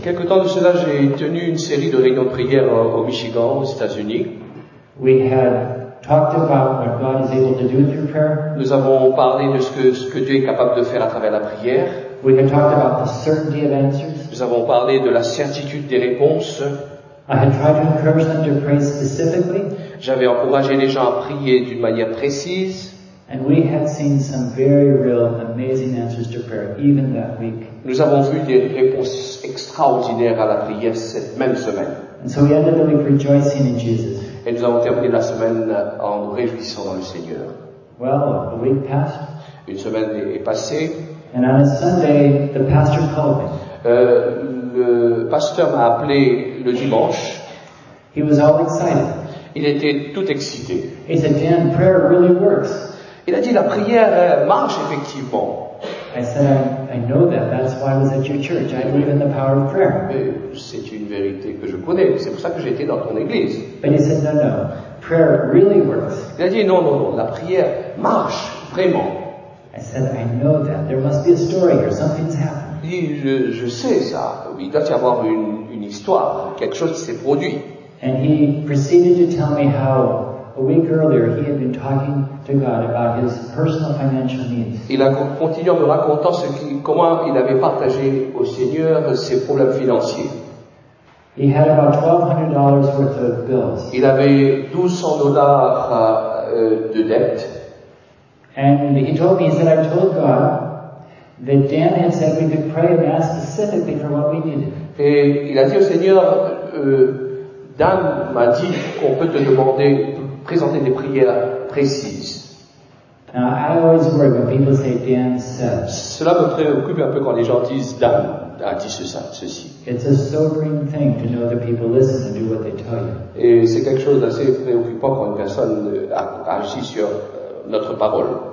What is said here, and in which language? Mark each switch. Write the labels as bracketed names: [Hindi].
[French] Quelque temps de cela, j'ai tenu une série de réunions de prière au Michigan, aux États-Unis. [English] We had talked about what God is able to do through prayer. [French] Nous avons parlé de ce que Dieu est capable de faire à travers la prière. [English] We had talked about the certainty of answers. [French] Nous avons parlé de la certitude des réponses. [English] I had tried to encourage them to pray specifically. [French] J'avais encouragé les gens à prier d'une manière précise. [English] And we had seen some very real, amazing answers to prayer, even that week. [French] Nous avons vu des réponses extraordinaires à la prière cette même semaine. [English] And so we ended the week rejoicing in Jesus. [French] Et nous avons terminé la semaine en nous réjouissant dans le Seigneur. [English] Well, a week passed. [French] Une semaine est passée. [English] And on a Sunday, the pastor called me. [French] Le pasteur m'a appelé le dimanche. [English] He was all excited. [French] Il était tout excité. [English] He said, "Dan, prayer really works." [French] Il a dit, la prière marche effectivement. [English] I said, I know that. That's why I was at your church. I believe in the power of prayer. [French] C'est une vérité que je connais. C'est pour ça que j'étais dans ton église. [English] But he said, no. Prayer really works. [French] Il a dit, non. La prière marche vraiment. [English] I said, I know that. There must be a story here. Something's happened. [French] Il dit, je sais ça, il doit y avoir une histoire, quelque chose qui s'est produit. [English] And he proceeded to tell me how a week earlier he had been talking to God about his personal financial needs. [French] Il a continué en me racontant comment il avait partagé au Seigneur ses problèmes financiers. [English] He had about $1,200 worth of bills. [French] Il avait $1,200 de dettes. [English] And he told me, he said, I told God that Dan had said we could pray and ask specifically for what we needed. [French] Et il a dit au Seigneur, Dan m'a dit qu'on peut te demander, présenter des prières précises. [English] Now, I always worry when people say Dan said. [French] Cela me préoccupe un peu quand les gens disent Dan a dit ceci. [English] It's a sobering thing to know that people listen and do what they tell you. [French] Et c'est quelque chose d'assez préoccupant quand une personne agit sur notre parole.